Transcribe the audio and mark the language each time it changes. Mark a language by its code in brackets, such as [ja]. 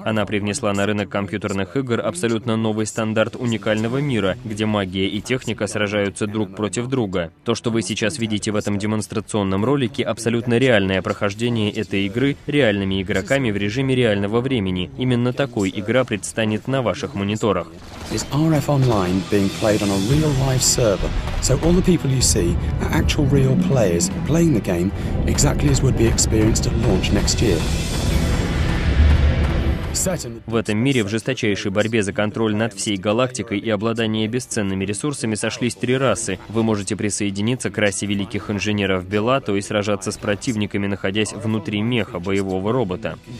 [ru] Она привнесла на рынок компьютерных игр абсолютно новый стандарт уникального мира, где магия и техника сражаются друг против друга. То, что вы сейчас видите в этом демонстрационном ролике, абсолютно реальное прохождение этой игры реальными игроками в режиме реального времени. Именно такой игра предстанет на ваших мониторах. [en] Is RF Online being played on a real live server? So all the people you see are actual real players playing the game exactly as would be experienced at launch next year. [ru] В этом мире в жесточайшей борьбе за контроль над всей галактикой и обладание бесценными ресурсами сошлись три расы. Вы можете присоединиться к расе великих инженеров Белато и сражаться с противниками, находясь внутри меха боевого робота.